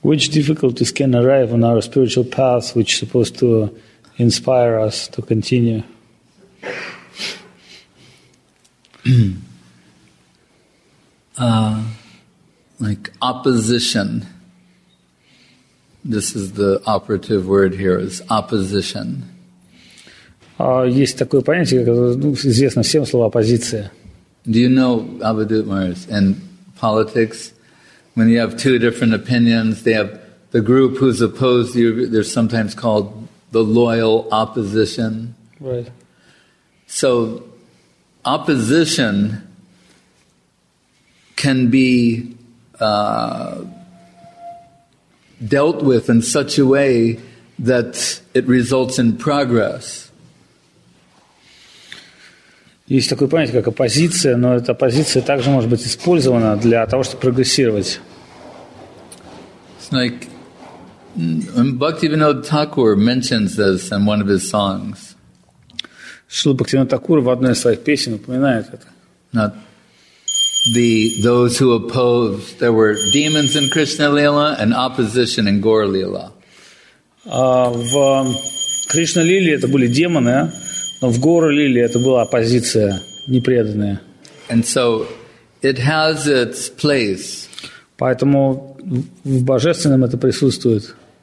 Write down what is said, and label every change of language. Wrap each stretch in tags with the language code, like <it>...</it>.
<en>Which difficulties can arrive on our spiritual path, which is supposed to inspire us to continue? Like opposition. This is the operative word here, is opposition.</en> <ru>Есть такое понятие, известно всем, слово оппозиция.</ru> <en>Do you know, Abhidhut Maharaj, in politics, when you have two different opinions, they have the group who's opposed you, they're sometimes called the loyal opposition. Right. So opposition can be dealt with in such a way that it results in progress.</en> <ru>Есть такое понятие, как оппозиция, но эта оппозиция также может быть использована для того, чтобы прогрессировать.</ru> <en>Like, Bhaktivinoda Thakur mentions this in one of his songs.</en> <ru>Шрила Бхактивинода Такура в одной из своих песен упоминает это.</ru> <en>Not the those who opposed, there were demons in Krishna Lila and opposition in Gaur Lila.</en> <ru>В Кришна Лиле это были демоны, но в Гаур Лиле это была оппозиция непреданная.</ru> <en>And so it has its place.</en> <ru>Поэтому в божественном это присутствует.</ru>